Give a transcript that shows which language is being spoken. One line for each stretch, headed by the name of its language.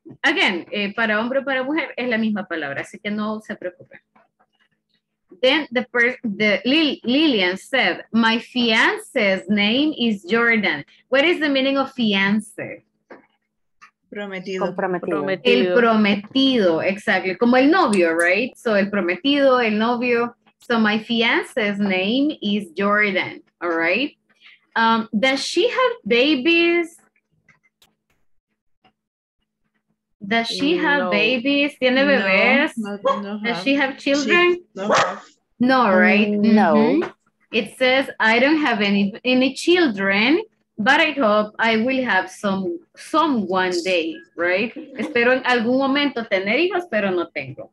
Spanish: Again, para hombre o para mujer es la misma palabra, así que no se preocupen.
English: Then Lillian said, my fiance's name is Jordan. What is the meaning of fiance?
Spanish: Prometido. Comprometido. El prometido, exactly. Como el novio, right?
English: So
Spanish: el prometido, el novio.
English: So my fiance's name is Jordan, all right? Does she have babies? Does she have babies?
Spanish: ¿Tiene bebés?
English: No, no, does she have children? She, no. No, right? No. It says, I don't have any children, but I hope I will have some one day, right?
Spanish: Espero en algún momento tener hijos, pero no tengo.